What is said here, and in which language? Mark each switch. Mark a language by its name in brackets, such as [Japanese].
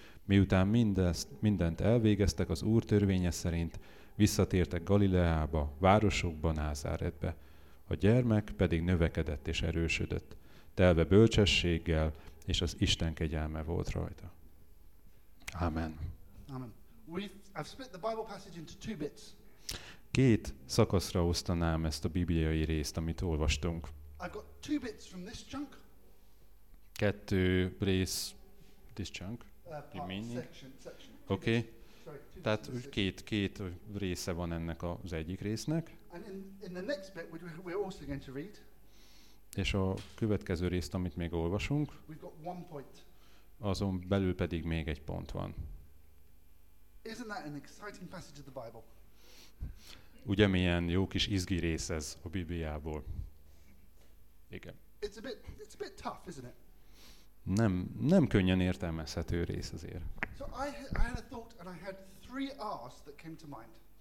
[Hungarian] Miután mindent elvégeztek az Úr törvénye szerint, visszatértek Galileába, városokba, Názáretbe. A gyermek pedig növekedett és erősödött, telve bölcsességgel, és az Isten kegyelme volt rajta. Amen. Amen. [English] I've split the Bible passage into two bits. [Hungarian] Két szakaszra osztanám ezt a bibliai részt, amit olvastunk. [English] I've got two bits from this chunk. [Hungarian] Kettő rész, [English] this chunk. Section. Okay. [Hungarian] Tehát két része van ennek az egyik résznek. [English] And in the next bit, which we're also going to read. [Hungarian] És a következő részt, amit még olvasunk. [English] We've got one point. [Hungarian] Azon belül pedig még egy pont van. [English] Isn't that an exciting passage of the Bible? [Hungarian] Ugye milyen jó kis izgi rész ez a Bibliából. [English] It's a bit tough, isn't it? [Hungarian] Nem könnyen értelmezhető rész azért. [English] So I had a thought and I had three R's that came to mind.